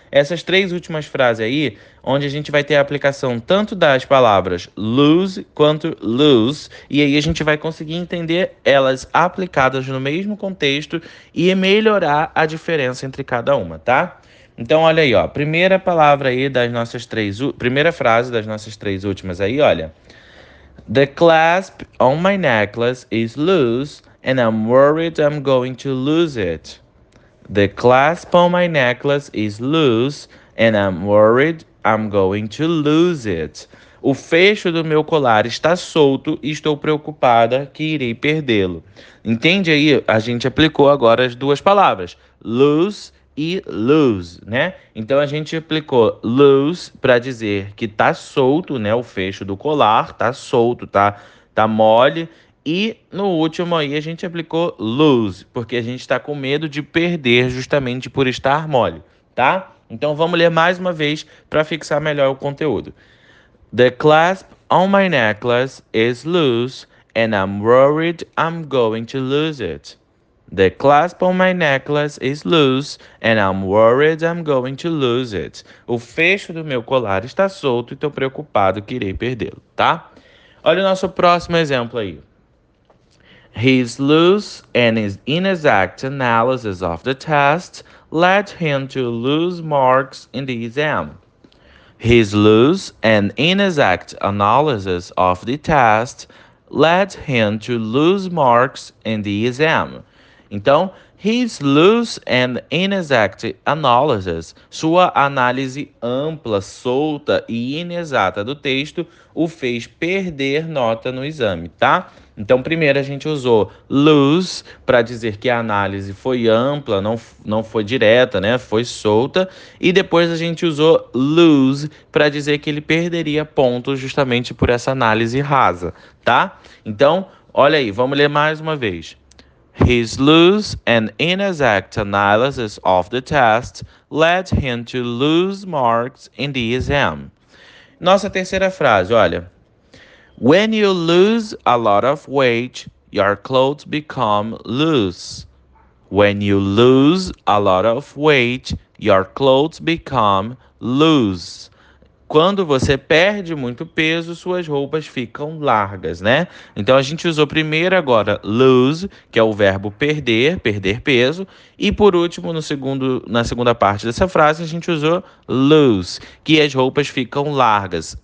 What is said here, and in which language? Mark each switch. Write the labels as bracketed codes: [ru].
[pt] Essas três últimas frases aí, onde a gente vai ter a aplicação tanto das palavras lose quanto lose, e aí a gente vai conseguir entender elas aplicadas no mesmo contexto e melhorar a diferença entre cada uma, tá? Então, olha aí, ó. Primeira palavra aí das nossas três. Primeira frase das nossas três últimas aí, olha. [en] The clasp on my necklace is loose and I'm worried I'm going to lose it. The clasp on my necklace is loose and I'm worried I'm going to lose it. [pt] O fecho do meu colar está solto e estou preocupada que irei perdê-lo. Entende aí? A gente aplicou agora as duas palavras. Loose e lose, né? Então a gente aplicou lose para dizer que tá solto, né? O fecho do colar tá solto, tá mole. E no último aí a gente aplicou lose, porque a gente tá com medo de perder justamente por estar mole, tá? Então vamos ler mais uma vez para fixar melhor o conteúdo. [en] The clasp on my necklace is loose and I'm worried I'm going to lose it. The clasp on my necklace is loose and I'm worried I'm going to lose it. [pt] O fecho do meu colar está solto e estou preocupado que irei perdê-lo, tá? Olha o nosso próximo exemplo aí. [en] His loose and his inexact analysis of the test led him to lose marks in the exam. His loose and inexact analysis of the test led him to lose marks in the exam. [pt] Então, [en] his loose and inexact analysis, [pt] sua análise ampla, solta e inexata do texto, o fez perder nota no exame, tá? Então, primeiro a gente usou loose para dizer que a análise foi ampla, não foi direta, né? Foi solta. E depois a gente usou lose para dizer que ele perderia pontos justamente por essa análise rasa, tá? Então, olha aí, vamos ler mais uma vez. [en] His loose and inexact analysis of the test led him to lose marks in the exam. [pt] Nossa terceira frase, olha. [en] When you lose a lot of weight, your clothes become loose. When you lose a lot of weight, your clothes become loose. [pt] Quando você perde muito peso, suas roupas ficam largas, né? Então a gente usou primeiro agora lose, que é o verbo perder peso, e por último na segunda parte dessa frase a gente usou loose, que as roupas ficam largas.